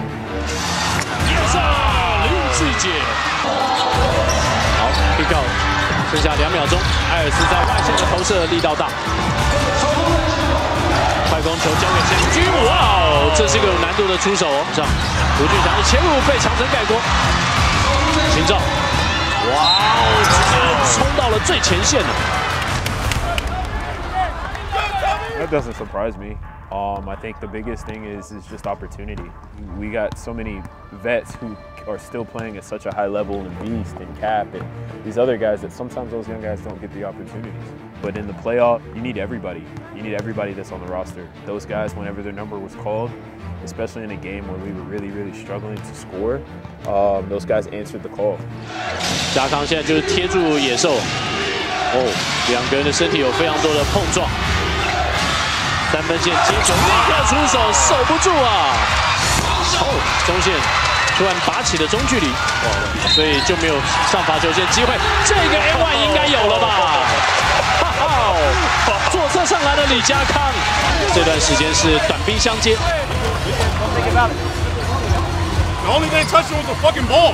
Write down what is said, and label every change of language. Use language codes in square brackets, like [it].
[zh] 耶稣林志杰，好 ， [en] kick out， [zh] 剩下两秒钟，艾尔斯在外线的投射力道大，快攻球交给陈军，哇哦，这是一个有难度的出手哦，上卢俊祥的前五被强森盖过，秦兆，哇哦，直接冲到了最前线了 [en] ，That doesn't surprise me。 I think the biggest thing is just opportunity. We got so many vets who are still playing at such a high level, and Beast and Cap and these other guys, that sometimes those young guys don't get the opportunities. But in the playoff, you need everybody. You need everybody that's on the roster. Those guys, whenever their number was called, especially in a game where we were really, really struggling to score, those guys answered the call. [zh] 加康现在就是贴住野兽，哦，两个人的身体有非常多的碰撞，三分线接球立刻出手，守不住啊！哦，中线突然拔起了中距离，所以就没有上罚球线机会。这个 A1 应该有了吧？哈哈，左侧上来的李家康，这段时间是短兵相接。 [en] The only thing touching was the fucking ball.